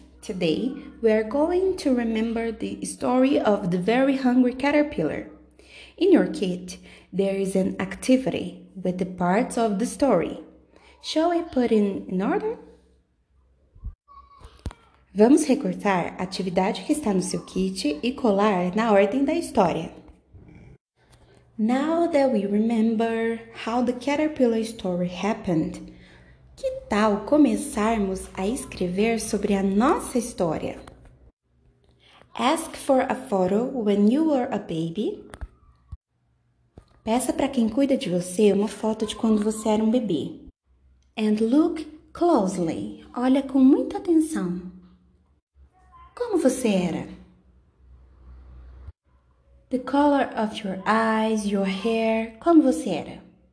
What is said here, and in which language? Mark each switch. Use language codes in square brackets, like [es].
[en] Today, we are going to remember the story of the very hungry caterpillar. In your kit, there is an activity with the parts of the story. Shall we put it in order? [pt] Vamos recortar a atividade que está no seu kit e colar na ordem da história. [en] Now that we remember how the caterpillar story happened, [pt] que tal começarmos a escrever sobre a nossa história? [en] Ask for a photo when you were a baby. [pt] Peça para quem cuida de você uma foto de quando você era um bebê. [en] And look closely. [pt] Olha com muita atenção. Como você era? [en] The color of your eyes, your hair. [pt] Como você era?